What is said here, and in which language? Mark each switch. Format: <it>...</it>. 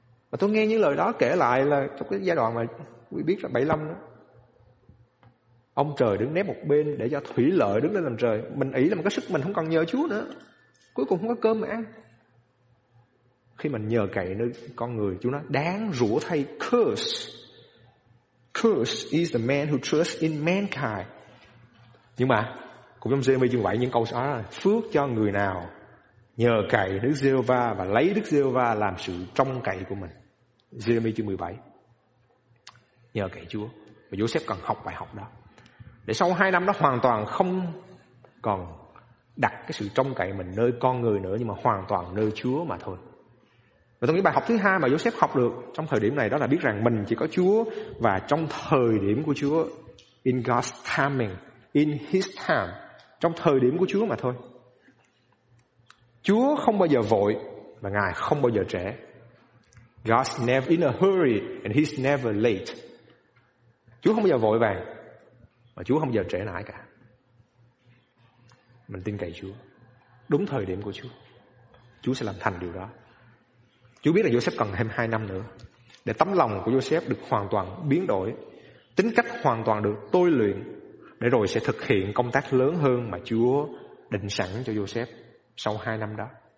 <vi>Và tôi nghe những lời đó kể lại là trong cái giai đoạn mà quý biết là 75 đó. Ông trời đứng nép một bên để cho thủy lợi đứng lên làm trời. Mình ý là mình có sức, mình không còn nhờ Chúa nữa. Cuối cùng không có cơm mà ăn. Khi mình nhờ cậy nơi con người, Chúa nói đáng rủa thay, curse.</vi> <en>Curse is the man who trusts in mankind.</en> <vi>Nhưng mà cũng trong Jeremy chương 7 những câu đó là phước cho người nào nhờ cậy Đức Giê-hô-va và lấy Đức Giê-hô-va làm sự trông cậy của mình. Jeremy chương 17. Nhờ cậy Chúa. Và Joseph cần học bài học đó, để sau 2 năm đó hoàn toàn không còn đặt cái sự trông cậy mình nơi con người nữa, nhưng mà hoàn toàn nơi Chúa mà thôi. Và tôi nghĩ bài học thứ hai mà Joseph học được trong thời điểm này đó là biết rằng mình chỉ có Chúa, và trong thời điểm của Chúa,</vi> <en>in God's timing, in His time,</en> <vi>trong thời điểm của Chúa mà thôi. Chúa không bao giờ vội và Ngài không bao giờ trễ.</vi> <en>God's never in a hurry and He's never late.</en> <vi>Chúa không bao giờ vội vàng và Chúa không bao giờ trễ nải cả. Mình tin cậy Chúa, đúng thời điểm của Chúa, Chúa sẽ làm thành điều đó. Chúa biết là Joseph cần thêm 2 năm nữa để tấm lòng của Joseph được hoàn toàn biến đổi, tính cách hoàn toàn được tôi luyện, để rồi sẽ thực hiện công tác lớn hơn mà Chúa định sẵn cho Joseph sau 2 năm đó.</vi>